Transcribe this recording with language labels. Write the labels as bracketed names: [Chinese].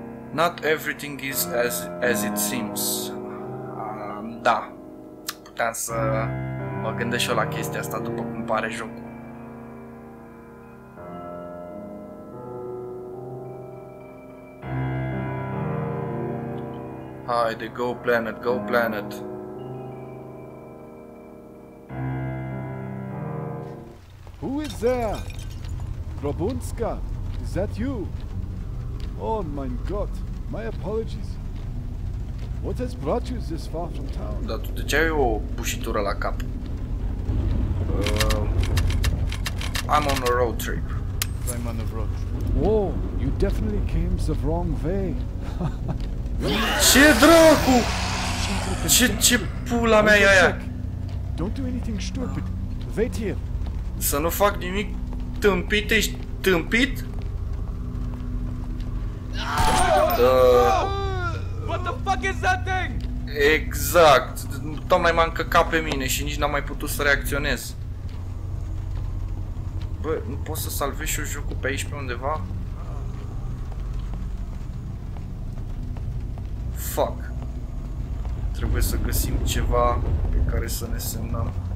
[English] Not everything is as it seems. [Romanian] Da. Puteam să mă gândesc eu la chestia asta după cum pare jocul. Haide, [English] go planet. Who is there? Probunska, is that you? Oh my god. My apologies. What has brought you this far from town? [Romanian] Da, tu de ce ai o bușitură la cap? [English] I'm on a road trip. I'm on a road trip. Whoa, you definitely came the wrong way. [Romanian] Ce dracu? Ce pula mea e aia? [English] Don't do anything stupid. Wait here. [Romanian] Să nu fac nimic tâmpit, ești tâmpit? [English] What the fuck is that thing? [Romanian] Exact. Tocmai m-am căcat pe mine și nici n-am mai putut să reacționez. Bă, nu pot să salvez și eu jocul pe aici pe undeva? Fuck. Trebuie să găsim ceva pe care să ne semnăm.